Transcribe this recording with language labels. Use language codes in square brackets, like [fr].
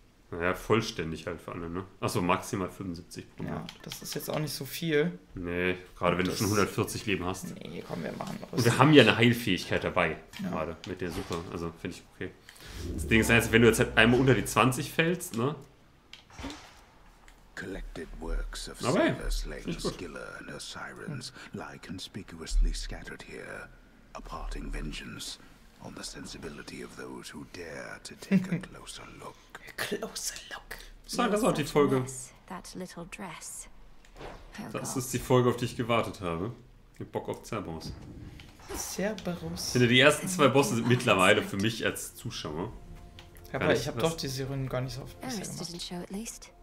[de] Naja, vollständig halt für alle, ne? Achso, maximal 75 pro Monat. Ja, das ist jetzt auch nicht so viel. Nee, gerade wenn du schon 140 Leben hast. Nee, komm, wir machen das. Und wir haben ja eine Heilfähigkeit dabei, ja. Gerade mit der Suche. Also, finde ich okay. Das Ding ist halt, wenn du jetzt halt einmal unter die 20 fällst, ne? [en] Collected works of Silas Lane Skiller and her sirens lie conspicuously scattered here, a parting vengeance on the sensibility of those who dare to take a closer look. A closer look. [de] So, das ist auch die Folge. Das ist die Folge, auf die ich gewartet habe. Ich Bock auf Cerberus. Cerberus. Ich finde, die ersten zwei Bosse sind mittlerweile für mich als Zuschauer. Ja, aber ich habe doch die Serien gar nicht so oft gemacht.